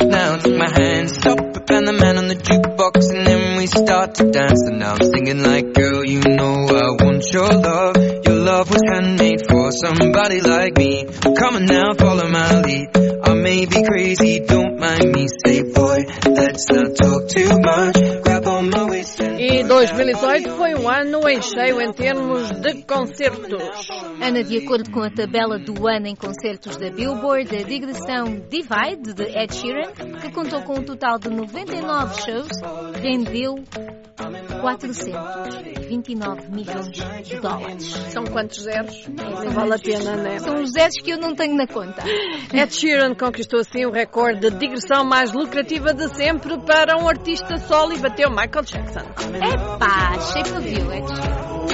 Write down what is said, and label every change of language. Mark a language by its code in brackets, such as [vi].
[en] Now take my hand, stop and the man on the jukebox, and then we start to dance. And now I'm singing like, girl, you know I want your love. Your love was handmade for somebody like me. Come on now, follow my lead. I may be crazy, don't mind me. Say, boy, let's not talk too much. Grab on my waist. [pt] E 2018 foi um ano em cheio em termos de concertos. Ana, de acordo com a tabela do ano em concertos da Billboard, a digressão Divide, de Ed Sheeran, que contou com um total de 99 shows, rendeu 429 milhões de dólares. São quantos zeros? Não vale a pena, né? São os zeros que eu não tenho na conta. Ed Sheeran conquistou assim o recorde de digressão mais lucrativa de sempre para um artista solo e bateu Michael Jackson. Epá, shape of you, Ed Sheeran.